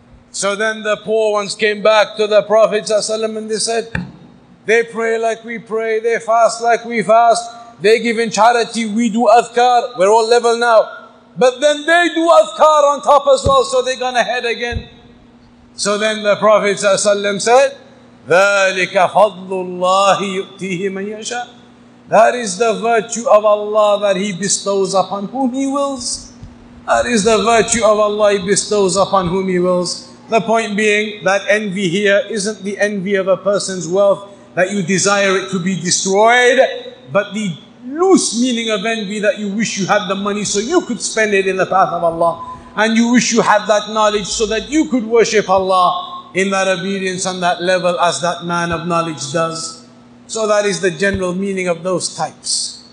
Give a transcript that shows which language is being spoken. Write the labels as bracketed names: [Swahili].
[English] So then the poor ones came back to the Prophet ﷺ and they said, they pray like we pray, they fast like we fast, they give in charity, we do adhkar, we're all level now. But then they do adhkar on top as well, so they gone ahead again. So then the Prophet ﷺ said, [Arabic] ذَلِكَ فَضْلُ اللَّهِ يُؤْتِيهِ مَنْ يَشَاءُ. [English] That is the virtue of Allah that He bestows upon whom He wills. That is the virtue of Allah He bestows upon whom He wills. The point being that envy here isn't the envy of a person's wealth that you desire it to be destroyed, but the loose meaning of envy that you wish you had the money so you could spend it in the path of Allah, and you wish you had that knowledge so that you could worship Allah in that obedience and that level as that man of knowledge does. So that is the general meaning of those types.